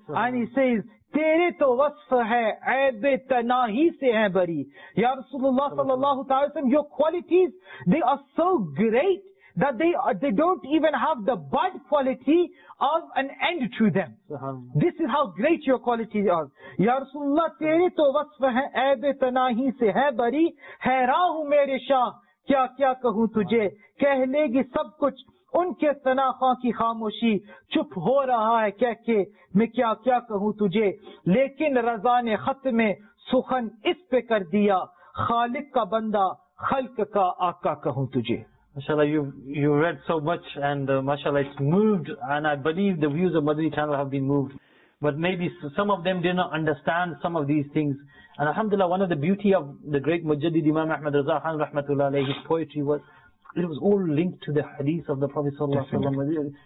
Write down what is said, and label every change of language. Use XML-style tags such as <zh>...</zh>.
<en>And he says,</en> <ur>تیرے تو وصف ہے عیب تناہی سے ہیں بری. یا رسول اللہ صلی اللہ علیہ وسلم,</ur> <en>your qualities, they are so great that they don't even have the bad quality of an end to them. This is how great your qualities are.</en> <ur>یا رسول اللہ تیرے تو وصف ہے عیب تناہی سے ہیں بری. حیران ہوں میرے شاہ کیا کیا کہوں تجھے کہہ لے گی سب کچھ ان کے تناخوں کی خاموشی چپ ہو رہا ہے کہ میں کیا کیا کہوں تجھے لیکن رضا نے خط میں سخن اس پہ کر دیا خالق کا بندہ خلق کا آقا کہوں تجھے</ur> <en>MashaAllah, you read so much and MashaAllah, it's moved and I believe the views of Madani Channel have been moved. But maybe some of them did not understand some of these things. And Alhamdulillah, one of the beauty of the great Mujaddid Imam Ahmad Raza Khan, rahmatullah alayhi, his poetry was It was all linked to the hadith of the Prophet sallallahu alaihi wasallam.</en>